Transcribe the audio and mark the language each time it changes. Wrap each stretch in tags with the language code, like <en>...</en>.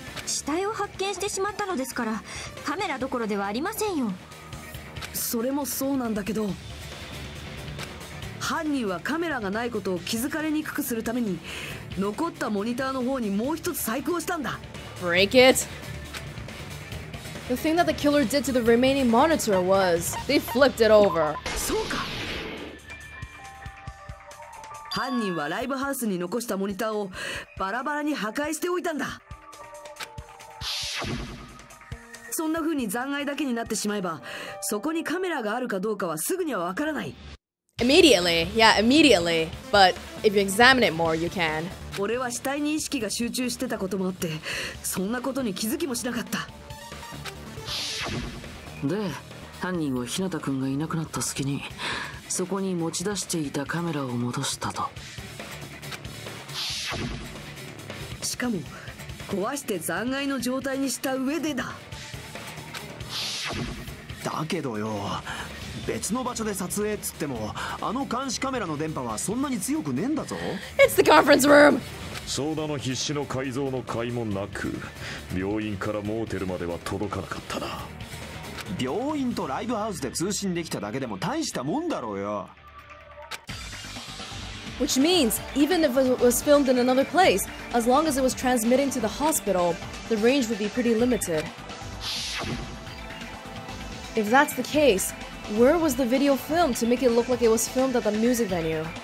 <ja>死体を発見してしまったのですから、カメラどころではありませんよ。それもそうなんだけど、犯人はカメラがないことを気づかれにくくするために残ったモニターの方にもう一つ細工をしたんだ。</ja> <en>Break it! The thing that the killer did to the remaining monitor was they flipped it over.</en> <ja>そうか。犯人はライブハウスに残したモニターをバラバラに破壊しておいたんだ。そんな風に残骸だけになってしまえば、そこにカメラがあるかどうかはすぐにはわからない。</ja> <en>Immediately, yeah, immediately. But if you examine it more, you can.</en> <ja>俺は死体に意識が集中してたこともあって、そんなことに気づきもしなかった。で、犯人は日向くんがいなくなった隙に、そこに持ち出していたカメラを戻したと。しかも、壊して残骸の状態にした上でだ。だけどよ、別の場所で撮影っつっても、あの監視カメラの電波はそんなに強くねえんだぞ。</ja> <en>It's the conference room!</en> <ja>相談の必死の改造の甲斐もなく、病院からモーテルまでは届かなかったな。病院とライブハウスで通信できただけでも大したもんだろうよ。</ja> <en>Which means, even if it was filmed in another place, as long as it was transmitting to the hospital, the range would be pretty limited. If that's the case,Where was the video filmed to make it look like it was filmed at the music venue?</en>